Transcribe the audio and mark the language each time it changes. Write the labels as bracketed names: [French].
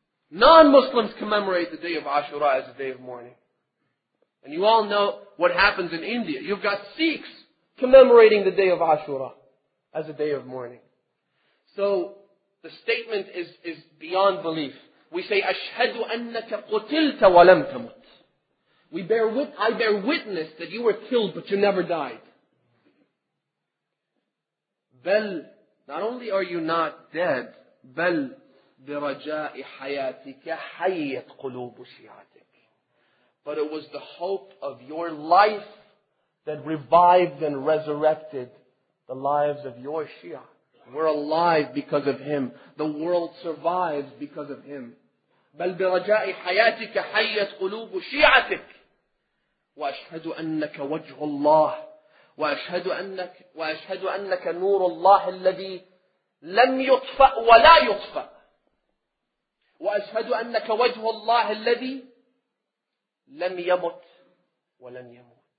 [English] Non-Muslims commemorate the day of Ashura as a day of mourning. And you all know what happens in India. You've got Sikhs commemorating the day of Ashura as a day of mourning. So the statement is beyond belief. We say, [Arabic] أَشْهَدُ أَنَّكَ قُتِلْتَ وَلَمْ تَمُتْ. [English] I bear witness that you were killed, but you never died. [Arabic] بَلْ, [English] not only are you not dead, [Arabic] بَلْ بِرَجَاءِ حَيَاتِكَ حَيَّتْ قُلُوبُ شِيَاتِكَ. [English] But it was the hope of your life that revived and resurrected the lives of your Shia. We're alive because of him. The world survives because of him. [Arabic] بَلْ بِرَجَاءِ حَيَاتِكَ حَيَّتْ قُلُوبُ شِيَعَتِكَ وَأَشْهَدُ أَنَّكَ وَجْهُ اللَّهِ وَأَشْهَدُ أَنَّكَ نُورُ اللَّهِ الَّذِي لَمْ يُطْفَأْ وَلَا يُطْفَأْ وَأَشْهَدُ أَنَّكَ وَجْهُ اللَّهِ الَّذِي لَمْ يَمُتْ وَلَنْ يَمُتْ.